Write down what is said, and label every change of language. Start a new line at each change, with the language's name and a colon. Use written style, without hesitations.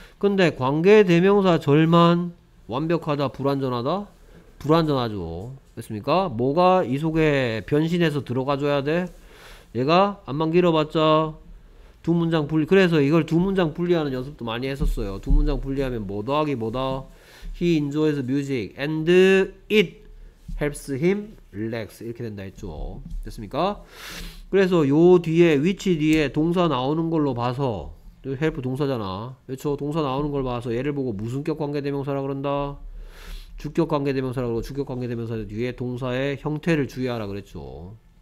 Korean: 근데 관계대명사 절만 완벽하다, 불완전하다? 불완전하죠. 됐습니까? 뭐가 이 속에 변신해서 들어가줘야 돼? 얘가 암만 길어봤자 두 문장 분리. 그래서 이걸 두 문장 분리하는 연습도 많이 했었어요. 두 문장 분리하면 뭐 더하기 뭐다?
English: He enjoys music and it helps him relax.
Korean: 이렇게 된다 했죠. 됐습니까? 그래서 요 뒤에 위치 뒤에 동사 나오는 걸로 봐서 help 동사잖아. 그렇죠? 동사 나오는 걸 봐서 얘를 보고 무슨 격 관계대명사라 그런다. 주격 관계대명사라고 주격 관계대명사 뒤에 동사의 형태를 주의하라 그랬죠.